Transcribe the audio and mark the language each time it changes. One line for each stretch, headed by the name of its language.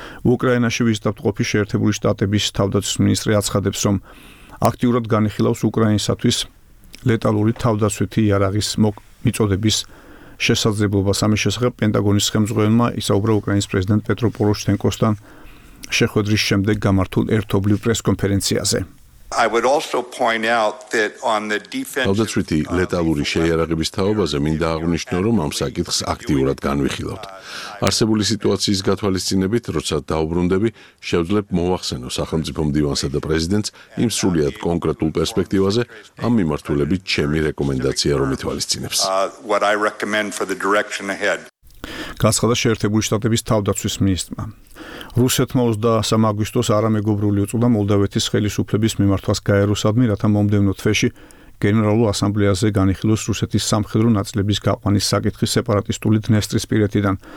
Georgian: უკრაინაში ვიზიტად ყოფი შეერთებული შტატების თავდაცვის მინისტრი აცხადებს, რომ აქტიურად განიხილავს უკრაინისათვის ლეტალური თავდაცვითი იარაღის მიწოდების შესაძლებლობას. ამის შესახებ პენტაგონის ხელმძღვანელმა ისაუბრა უკრაინის პრეზიდენტ პეტრო პოროშენკოსთან შეხვედრის შემდეგ გამართულ ერთობლივ პრესკონფერენციაზე.
English: I would also point out that on the defense of the
Georgian: ლეტალური შეიარაღების თაობაზე მინდა აღვნიშნო, რომ ამ საკითხს აქტიურად განვიხილავთ. არსებული სიტუაციის გათვალისწინებით, როცა დაუბრუნდები, შევძლებ მოახსენო სახელმწიფო მდივანსა და პრეზიდენტს იმ სრულიად კონკრეტულ პერსპექტივაზე ამ მიმართულებით ჩემი რეკომენდაცია, რომ ითვალისწინებს.
English: What I recommend for the direction ahead.
Georgian: გასხდა შეერთებული შტატების თავდაცვის მინისტრმა. რუსეთმა 23 აგვისტოს არამეგობრული უწოდა მოლდავეთის ხელისუფლების მიმართვას გაეროსადმი, რათა მომდევნო თვეში გენერალურ ასამბლეაზე განიხილოს რუსეთის სამხედრო ნაწილების გაყვანის საკითხი სეპარატისტული დნესტრისპირეთიდან.